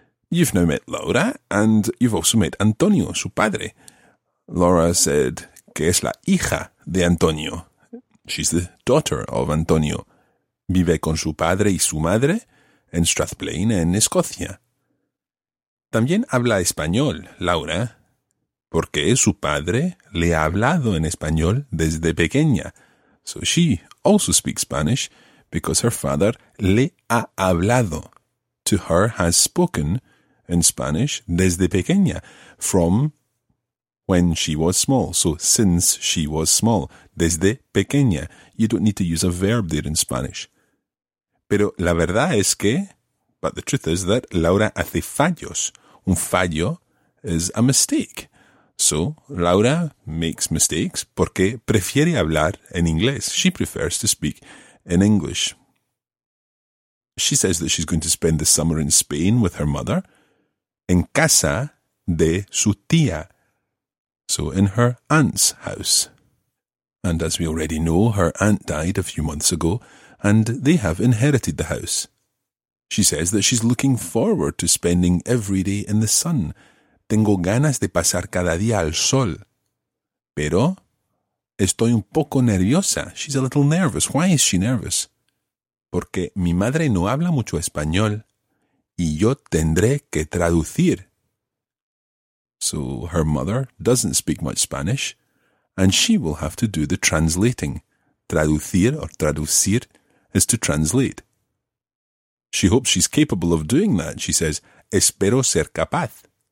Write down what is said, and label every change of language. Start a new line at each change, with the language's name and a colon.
English: You've now met Laura, and you've also met Antonio,
Spanish: su padre. Laura said que es la hija de Antonio.
English: She's the daughter of Antonio.
Spanish: Vive con su padre y su madre en Strathblane, en Escocia. También habla español, Laura, porque su padre le ha hablado en español desde pequeña.
English: So she also speaks Spanish because her father
Spanish: le ha hablado.
English: To her has spoken in Spanish
Spanish: desde pequeña,
English: from when she was small. So since she was small,
Spanish: desde pequeña.
English: You don't need to use a verb there in Spanish.
Spanish: Pero la verdad es que,
English: but the truth is that
Spanish: Laura hace fallos.
English: Un fallo is a mistake. So, Laura makes mistakes
Spanish: porque prefiere hablar en inglés.
English: She prefers to speak in English. She says that she's going to spend the summer in Spain with her mother.
Spanish: En casa de su tía.
English: So, in her aunt's house. And as we already know, her aunt died a few months ago, and they have inherited the house. She says that she's looking forward to spending every day in the sun.
Spanish: Tengo ganas de pasar cada día al sol. Pero estoy un poco nerviosa.
English: She's a little nervous. Why is she nervous?
Spanish: Porque mi madre no habla mucho español y yo tendré que traducir.
English: So her mother doesn't speak much Spanish and she will have to do the translating. Traducir or traducir is to translate. She hopes she's capable of doing that. She says,
Spanish: espero ser capaz.